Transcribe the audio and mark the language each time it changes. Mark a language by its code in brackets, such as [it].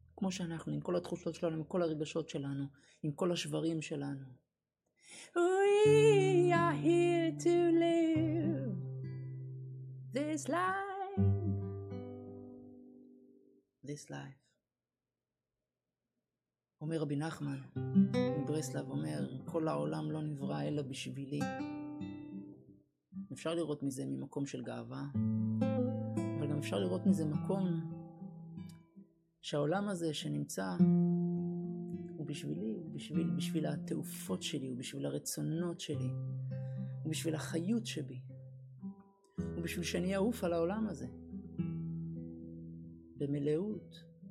[he] שאנחנו, עם כל התחושות שלנו, עם כל הרגשות שלנו, עם כל השברים שלנו. [en] We are here to live this life. This life. [he] אומר רבי נחמן, מברסלב אומר, כל העולם לא נברא אלא בשבילי. אפשר לראות מזה ממקום של גאווה, אבל גם אפשר לראות מזה מקום שהעולם הזה שנמצא הוא בשבילי, הוא בשביל, בשביל התעופות שלי, הוא בשביל הרצונות שלי, הוא בשביל החיות שבי, הוא בשביל שאני אעוף על העולם הזה במלאות,